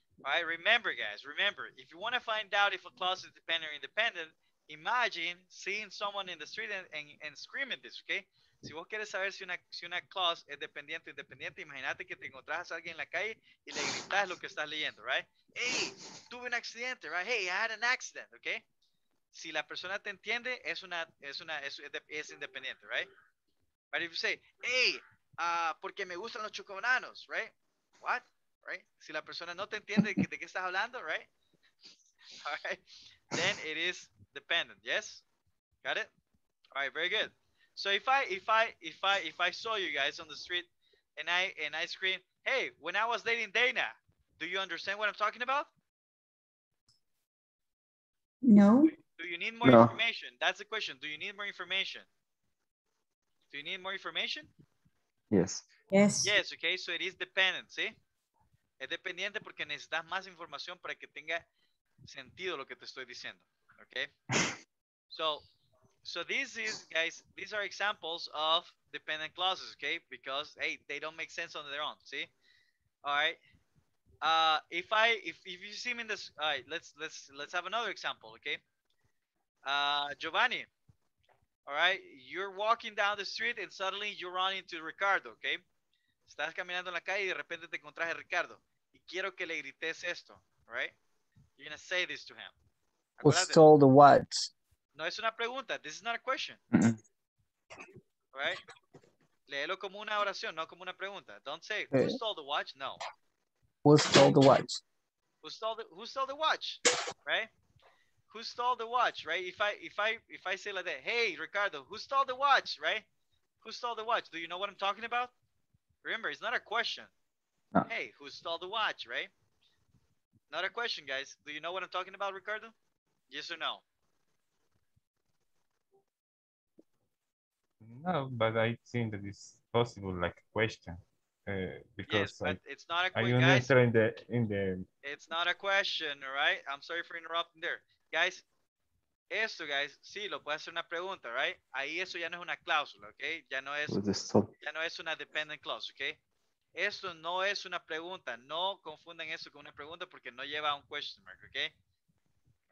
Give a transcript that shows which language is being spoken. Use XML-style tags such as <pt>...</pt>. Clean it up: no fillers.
<en>All right, remember, guys, remember, if you want to find out if a clause is dependent or independent, imagine seeing someone in the street and screaming this, okay?</en> <es>Si vos quieres saber si una clause es dependiente o independiente, imagínate que te encontrás a alguien en la calle y le gritas lo que estás leyendo, right?</es> <en>Hey,</en> <es>tuve un accidente,</es> <en>right? Hey, I had an accident, okay?</en> <es>Si la persona te entiende, es independiente, right?</es> <en>But if you say, hey,</en> <es>porque me gustan los chocobananos,</es> <en>right? What? Right?</en> <es>Si la persona no te entiende de qué estás hablando, right?</es> <en>All right? Then it is dependent, yes? Got it? All right, very good. So if I saw you guys on the street and I scream, hey, when I was dating Dana, do you understand what I'm talking about? No. Do you need more information? That's the question. Do you need more information? Do you need more information? Yes. Yes. Yes, okay, so it is dependent, see?</en> <es>Es dependiente porque necesitas más información para que tenga sentido lo que te estoy diciendo, okay?</es> <en>So this is, guys, these are examples of dependent clauses, okay? Because, hey, they don't make sense on their own, see? All right. If you see me in this, all right, let's have another example, okay? Giovanni, all right, you're walking down the street and suddenly you run into Ricardo, okay?</en> <es>Estás caminando en la calle y de repente te encontras a Ricardo. Y quiero que le grites esto, right?</es> <en>You're going to say this to him. Was told what?</en> <es>No, es una pregunta.</es> <en>This is not a question. Right?</en> <es>Léelo como una oración, no como una pregunta.</es> <en>Don't say, who stole the watch? No. Who stole the watch? Who stole the watch? Right? Who stole the watch? Right? If I say like that, hey, Ricardo, who stole the watch? Right? Who stole the watch? Do you know what I'm talking about? Remember, it's not a question. No. Hey, who stole the watch? Right? Not a question, guys. Do you know what I'm talking about, Ricardo? Yes or no? No, but I think that it's possible, like a question, because yes, but it's not a question, guys. It's not a question, all right? I'm sorry for interrupting there.</en> <es>guys, eso, guys, sí, lo puede hacer una pregunta, right? Ahí eso ya no es una cláusula, ¿ok? Ya no es una dependent clause, ¿ok? Eso no es una pregunta. No confundan eso con una pregunta porque no lleva a un question mark, ¿ok?</es>